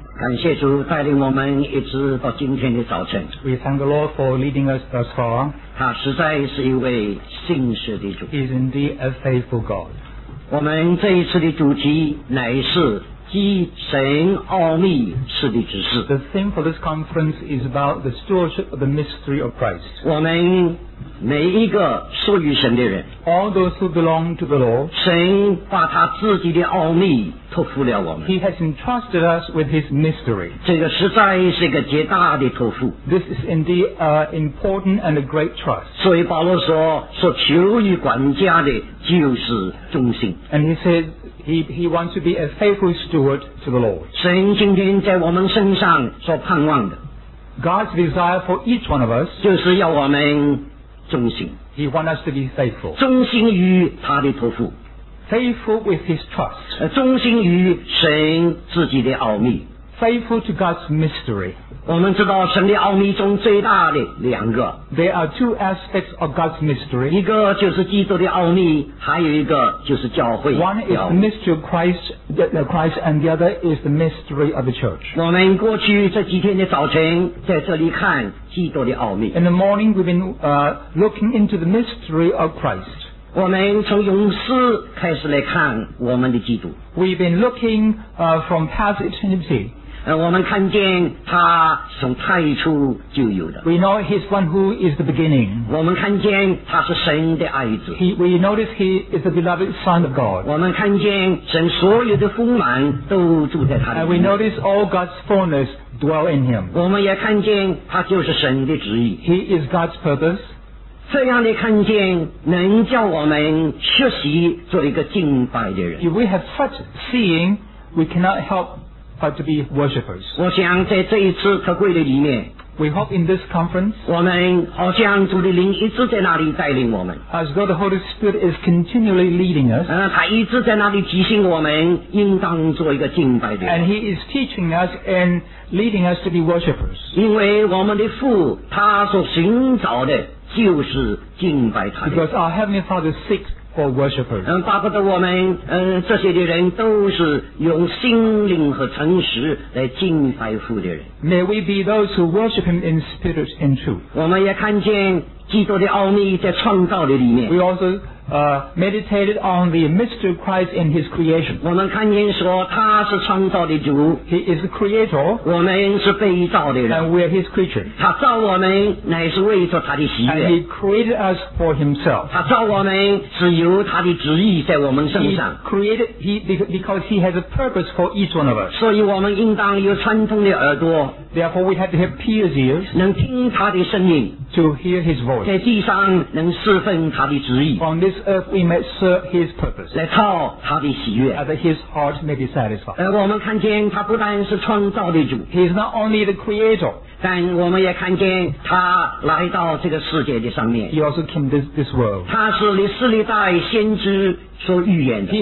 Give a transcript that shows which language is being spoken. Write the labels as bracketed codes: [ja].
[zh] 感谢主带领我们一直到今天的早晨。 [en] We thank the Lord for leading us thus far. [zh] 他实在是一位信实的主。 [en] He is indeed a faithful God. [zh] 我们这一次的主题乃是基神奥秘事的指示。 [en] The theme for this conference is about the stewardship of the mystery of Christ. [zh] 我们每一个属于神的人 [en] ，All those who belong to the Lord， [zh] 神把他自己的奥秘托付了我们。 [en] He has entrusted us with His mystery。 [zh] 这个实在是一个极大的托付。 [en] This is indeed an important and a great trust。 [zh] 所以保罗说，所求于管家的就是忠心。 [en] And he said he wants to be a faithful steward to the Lord。 [zh] 神今天在我们身上所盼望的 [en] ，God's desire for each one of us， [zh] 就是要我们。忠心 [en] He wants us to be faithful. [zh] 忠心于他的托付 [en] Faithful with his trust. [zh] 忠心于神自己的奥秘 [en] Faithful to God's mystery. [zh] 我们知道神的奥秘中最大的两个 [en] There are two aspects of God's mystery. [zh] 一个就是基督的奥秘还有一个就是教会 [en] One is the mystery of Christ and the other is the mystery of the church. [zh] 我们过去这几天的早晨在这里看基督的奥秘 [en] In the morning, we've been looking into the mystery of Christ. [zh] 我们从勇士开始来看我们的基督 [en] We've been looking from past eternity. [zh] 我们看见他从太初就有的 [en] We know he's one who is the beginning. [zh] 我们看见他是神的爱子 [en] We notice he is the beloved son of God. [zh] 我们看见神所有的丰满都住在他的 [en] And we notice all God's fullness. Dwell in him. [zh] 我们也看见他就是神的旨意。 [en] He is God's purpose. [zh] 这样的看见能叫我们学习做一个敬拜的人。 [en] If we have such seeing, we cannot help but to be worshippers. [zh] 我想在这一次特会的里面 [en] ，We hope in this conference. [zh] 我们好像主的灵一直在那里带领我们。 [en] As though the Holy Spirit is continually leading us. [zh] 他一直在那里提醒我们应当做一个敬拜的人。 [en] And he is teaching us andleading us to be worshippers. [zh] 因为我们的父他所寻找的就是敬拜他的。 [en] Because our Heavenly Father seeks for worshippers. [zh] 巴不得我们这些的人都是用心灵和诚实来敬拜父的人。 [en] May we be those who worship him in spirit and truth. [zh] 我们也看见基督的奥秘在创造的里面。 [en] We also meditated on the mystery of Christ in his creation. [zh] 我们看见说他是创造的主。 [en] He is the creator. [zh] 我们是被造的人。 [en] And we are his creature. [zh] 他造我们乃是为着他的喜悦。 [en] And he created us for himself. [zh] 他造我们是由他的旨意在我们身上。 [en] He created because he has a purpose for each one of us. [zh] 所以我们应当有穿通的耳朵。 [en] Therefore we have to have pierced ears. [zh] 能听他的声音。 [en] To hear his voice. [zh] 在地上能侍奉他的旨意。 [en] On this earth we may serve his purpose. [zh] 来操他的喜悦。 [en] That his heart may be satisfied. [zh] 我们看见他不但是创造的主。 [en] He is not only the creator. [zh] 但我们也看见他来到这个世界的上面。 [en] He also came to this world. [zh] 他是历世历代先知所预言的。